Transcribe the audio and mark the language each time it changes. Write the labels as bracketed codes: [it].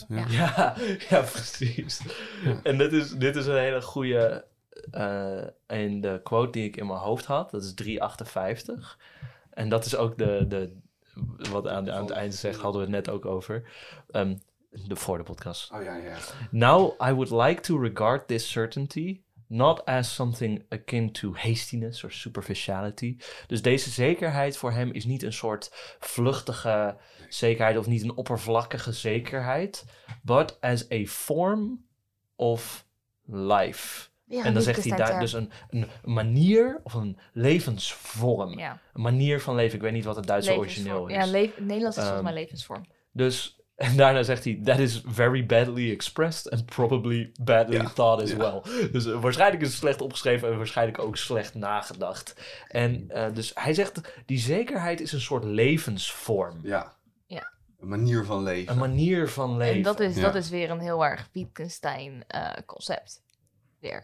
[nl] Ja. Ja, ja, precies. Ja. En dit is een hele goede... en de quote die ik in mijn hoofd had. Dat is 358. En dat is ook de wat aan het einde zegt, hadden we het net ook over. Voor de podcast. Oh ja, ja. [en] Now I would like to regard this certainty... not as something akin to hastiness or superficiality. [nl] Dus deze zekerheid voor hem is niet een soort vluchtige zekerheid... of niet een oppervlakkige zekerheid... [en] but as a form of life. [nl] Ja, en dan zegt hij daar dus een manier of een levensvorm. Ja. Een manier van leven. Ik weet niet wat het Duitse origineel is. Ja, Nederlands is volgens mij levensvorm. Dus... En daarna zegt hij, [en] that is very badly expressed and probably badly thought as well. [nl] Dus waarschijnlijk is het slecht opgeschreven en waarschijnlijk ook slecht nagedacht. En dus hij zegt, die zekerheid is een soort levensvorm. Ja. Ja. Een manier van leven. Een manier van leven. En dat is weer een heel erg Wittgenstein concept. Weer.